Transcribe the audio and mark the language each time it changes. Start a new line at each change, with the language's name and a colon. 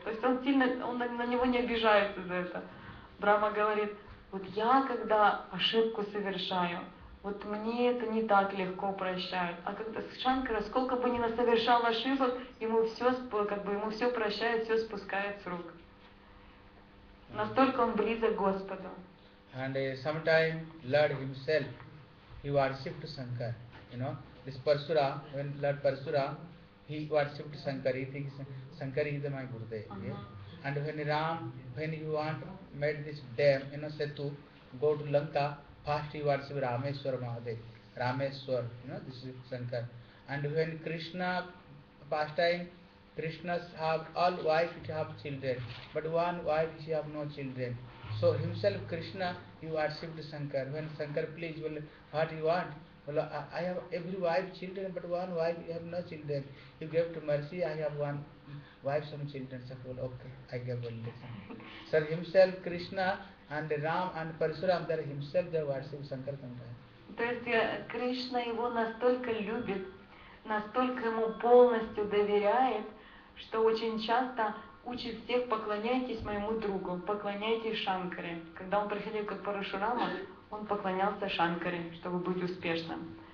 Russian: То есть он сильно, он на него не обижается за это. Брама говорит, вот я когда ошибку совершаю, вот мне это не так легко прощают. А когда Шанкара, сколько бы ни насовершал ошибок, ему все, как бы, ему все прощает, все спускает с рук. Настолько он близок к Господу.
English: And sometime Lord himself, he worshipped Shankar. You know, this Parsura, when Lord Parsura, he worshipped Shankar. He thinks Shankar is my Gurudev. Uh-huh. Yeah? And when Ram, when he want, made this dam, you know, Setu, go to Lanka, first he worshipped Rameswar Mahadev, Rameswar, you know, this is Shankar. And when Krishna, past time, Krishna have all wife, he have children, but one wife, he have no children. So himself, Krishna, he worshipped Shankar. When Shankar please, well, what you want? Well, I have every wife, children, but one wife, he have no children. You gave to mercy, I have one wife, some children. So, well, okay, I gave one lesson. So himself, Krishna, and Ram and Parashuram, they're himself, they're worship Shankar sometimes.
Russian: То есть Кришна его настолько любит, настолько ему полностью доверяет, что очень часто учит всех, поклоняйтесь моему другу, поклоняйтесь Шанкаре. Когда он приходил как Парашурама, он поклонялся Шанкаре, чтобы быть успешным.